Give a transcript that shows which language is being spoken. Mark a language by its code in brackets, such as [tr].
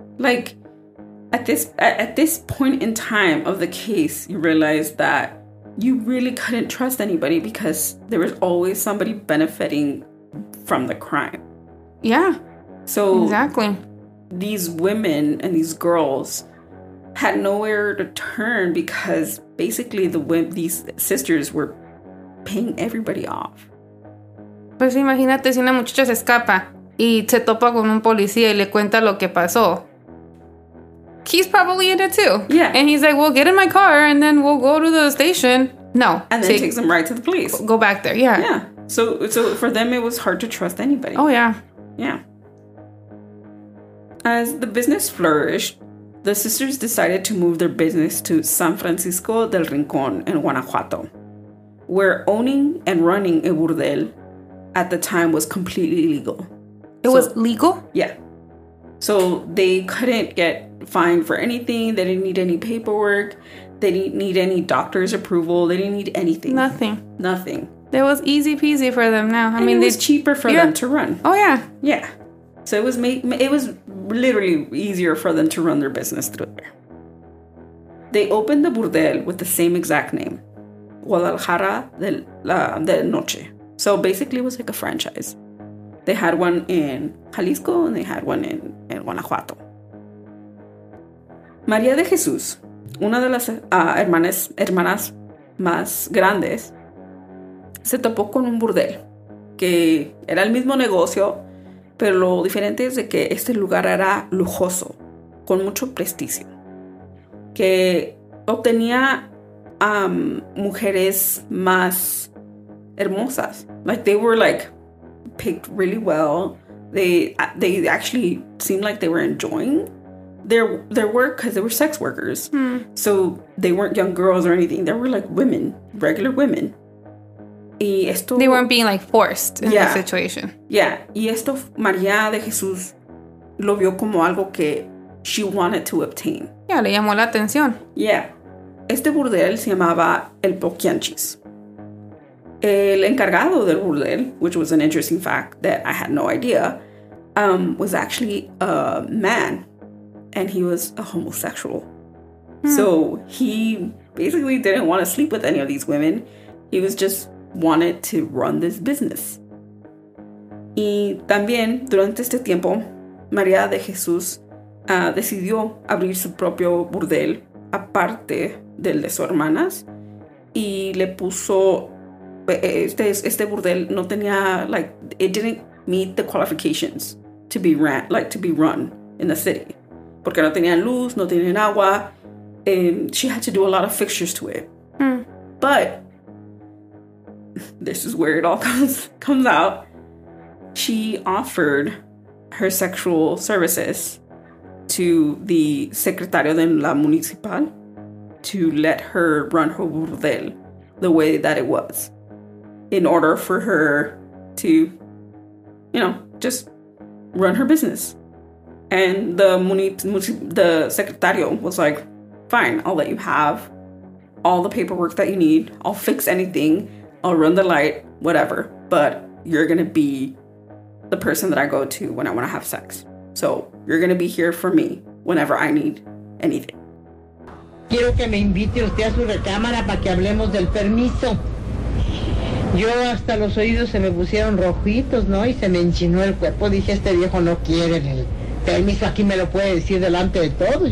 [en] Like, at this point in time of the case, you realize that you really couldn't trust anybody because there was always somebody benefiting from the crime. Yeah. So exactly. These women and these girls had nowhere to turn because basically these sisters were paying everybody off. [es] Pues imagínate si una muchacha se escapa y se topa con un policía y le cuenta lo que pasó. [en] He's probably in it too. Yeah. And he's like, well, get in my car and then we'll go to the station. No. And then takes them right to the police. Go back there. Yeah. Yeah. So for them, it was hard to trust anybody. Oh, yeah. Yeah. As the business flourished, the sisters decided to move their business to San Francisco del Rincón in Guanajuato, where owning and running a burdel at the time was completely legal. It was legal? Yeah. So they couldn't get fined for anything. They didn't need any paperwork. They didn't need any doctor's approval. They didn't need anything. Nothing. It was easy peasy for them now. It was cheaper for them to run. Oh, yeah. Yeah. So it was literally easier for them to run their business through there. They opened the burdel with the same exact name, Guadalajara de Noche. So basically, it was like a franchise. They had one in Jalisco and they had one in Guanajuato. [es] María de Jesús, una de las hermanas más grandes, se topó con un burdel que era el mismo negocio, pero lo diferente es de que este lugar era lujoso, con mucho prestigio, que obtenía mujeres más hermosas. [en] Like, they were like picked really well. They actually seemed like they were enjoying their work because they were sex workers. Hmm. So they weren't young girls or anything. They were like women, regular women. [es] Y esto, [en] they weren't being like forced in the situation. Yeah. [es] Y esto María de Jesús lo vio como algo que [en] she wanted to obtain. [es] Yeah, le llamó la atención. Yeah. Este burdel se llamaba El Poquianchis. El encargado del burdel, [en] which was an interesting fact that I had no idea, was actually a man. And he was a homosexual. So he basically didn't want to sleep with any of these women. He was just wanted to run this business. [es] Y también, durante este tiempo, María de Jesús decidió abrir su propio burdel, aparte del de sus hermanas, y le puso... Este burdel no tenía, [en] like, it didn't meet the qualifications to be ran, like, to be run in the city. [es] Porque no tenían luz, no tenían agua. [en] She had to do a lot of fixtures to it. Mm. But this is where it all comes out. She offered her sexual services to the [es] secretario de la municipal [en] to let her run her burdel the way that it was. In order for her to, you know, just run her business. And the secretario was like, fine, I'll let you have all the paperwork that you need. I'll fix anything. I'll run the light, whatever. But you're going to be the person that I go to when I want to have sex. So you're going to be here for me whenever I need anything. [es] Quiero que me invite usted a su recámara para que hablemos del permiso. Yo hasta los oídos se me pusieron rojitos, ¿no? Y se me enchinó el cuerpo. Dije, este viejo no quiere el permiso. Aquí me lo puede decir delante de todos.